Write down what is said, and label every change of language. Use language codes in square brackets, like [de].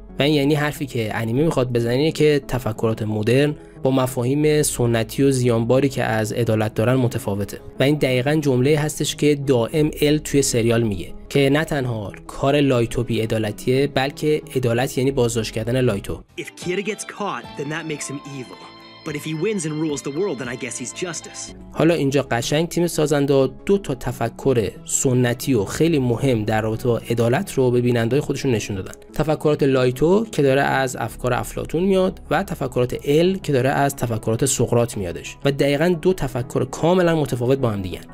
[fa] و این یعنی حرفی که انیمه میخواد بزنه اینه که تفکرات مدرن با مفاهیم سنتی و زیانباری که از عدالت دارن متفاوته. و این دقیقاً جمله هستش که دائم ال توی سریال میگه که نه تنها کار لایتو بی عدالتیه، بلکه عدالت یعنی بازداشت کردن لایتو. [en] If Kira gets caught, then that makes him evil. But if he wins and rules the world, then I guess he's justice. [fa] حالا اینجا قشنگ تیم سازنده دو تا تفکر سنتی و خیلی مهم در رابطه با عدالت رو به بینندگان خودشون نشون دادن. تفکرات لایتو که داره از افکار افلاطون میاد و تفکرات ال که داره از تفکرات سقراط میادش و دقیقاً دو تفکر کاملا متفاوت با هم دیگن.